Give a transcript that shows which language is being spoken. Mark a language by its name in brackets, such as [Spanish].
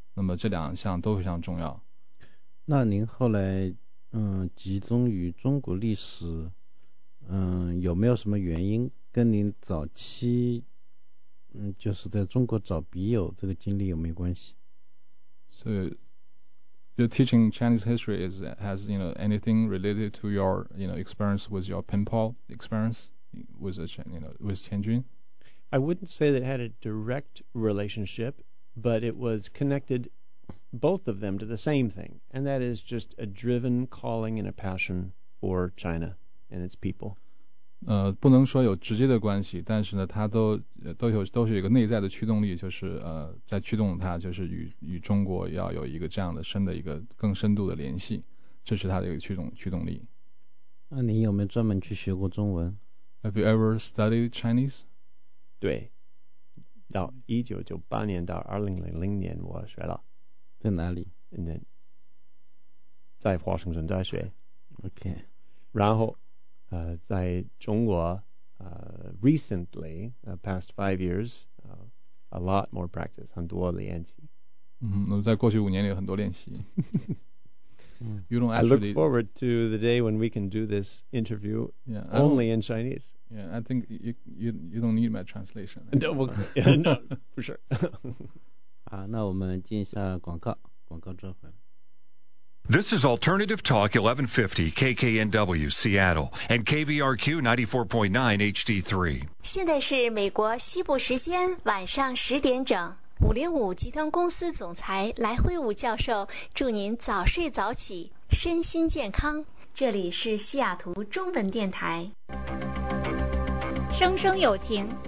[Chinese] 那么这两项都非常重要。那您后来集中于中国历史，有没有什么原因跟您早期就是在中国找笔友这个经历有没有关系？所以。 [English] Your teaching Chinese history has you know anything related to your you know experience with your penpal experience with with Tianjin? I wouldn't say that it had a direct relationship, but it was connected, both of them, to the same thing, and that is just a driven calling and a passion for China and its people. [Chinese] 不能说有直接的关系，但是呢，它都是有一个内在的驱动力，就是在驱动它，就是与中国要有一个这样的深的一个更深度的联系，这是它的一个驱动力。那您有没有专门去学过中文 [English] ？Have you ever studied Chinese？ [Chinese] 对，到1998年到2000年，我学了。在哪里？在华盛顿大学。 [English] OK。 [Chinese] 然后，在中国， [English] recently, past 5 years, a lot more practice, [Chinese] 很多练习。嗯，在过去五年里很多练习。 [English] You don't actually, I look forward to the day when we can do this interview only in Chinese. Yeah, I think you don't need my translation. No, for sure. [Chinese] 好，那我们进一下广告，广告之后回来。 [English] This is Alternative Talk 1150 KKNW Seattle and KVRQ 94.9 HD3. [Chinese] 现在是美国西部时间晚上十点整。 505集团公司总裁来辉武教授祝您早睡早起，身心健康。这里是西雅图中文电台，声声有情，